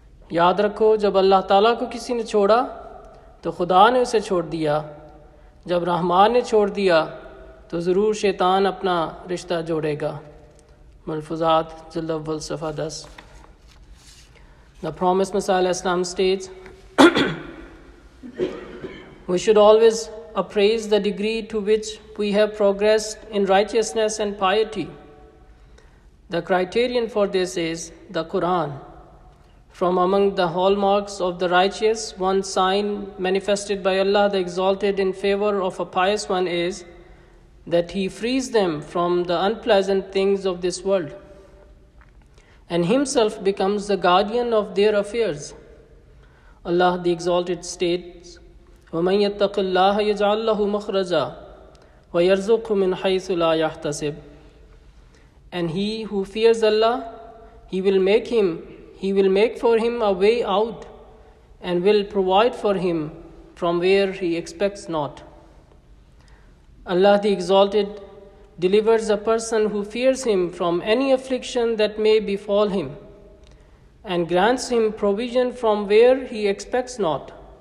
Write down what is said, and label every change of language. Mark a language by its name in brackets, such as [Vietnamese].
[Urdu] یاد رکھو، جب اللہ تعالیٰ کو کسی نے چھوڑا تو خدا نے اسے چھوڑ دیا، جب رحمان نے چھوڑ دیا تو ضرور شیطان اپنا رشتہ جوڑے گا. ملفوظات جلد اول صفحہ 10. [English] The Promised Messiah علیہ السلام states, we should always appraise the degree to which we have progressed in righteousness and piety. The criterion for this is the Quran. From among the hallmarks of the righteous, one sign manifested by Allah the Exalted in favor of a pious one is that He frees them from the unpleasant things of this world and Himself becomes the guardian of their affairs. Allah the Exalted states, [Arabic] وَمَن يَتَّقِ اللَّهَ يَجْعَل لَّهُ مَخْرَجًا وَيَرْزُقْهُ مِنْ حَيْثُ لَا يَحْتَسِب. [English] And he who fears Allah, he will make for him a way out and will provide for him from where he expects not. Allah the Exalted delivers a person who fears him from any affliction that may befall him and grants him provision from where he expects not.